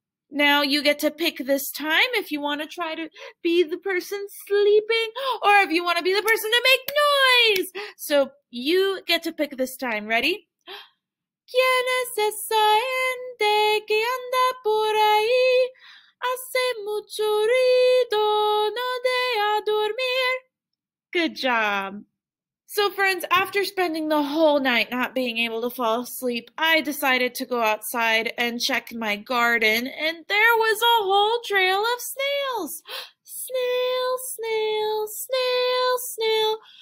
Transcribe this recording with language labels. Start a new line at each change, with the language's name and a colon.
English: Now you get to pick this time if you want to try to be the person sleeping or if you want to be the person to make noise. So you get to pick this time. Ready?
Spanish: ¿Quién es esa gente que anda por ahí? Hace mucho ruido, no deja dormir.
English: Good job. So, friends, after spending the whole night not being able to fall asleep, I decided to go outside and check my garden, and there was a whole trail of snails. Snail, snail, snail, snail.